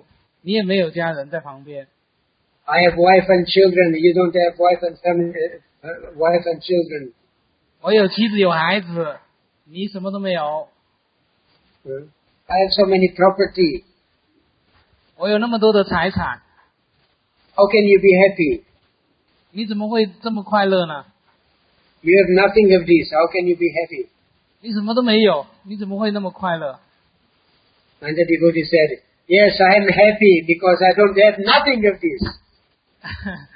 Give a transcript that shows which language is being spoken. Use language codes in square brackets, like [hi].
[zh] 我有很大的家族，你也没有家人在旁边。 [en] I have wife and children, you don't have wife and family, wife and children. [zh] 我有妻子有孩子，你什么都没有。 [en] I have so many property. [zh] 我有那么多的财产。 [en] How can you be happy? [zh] 你怎么会这么快乐呢？ [en] You have nothing of this, how can you be happy? [zh] 你什么都没有，你怎么会那么快乐？ [en] And the devotee said, yes, I am happy because I don't have nothing of this.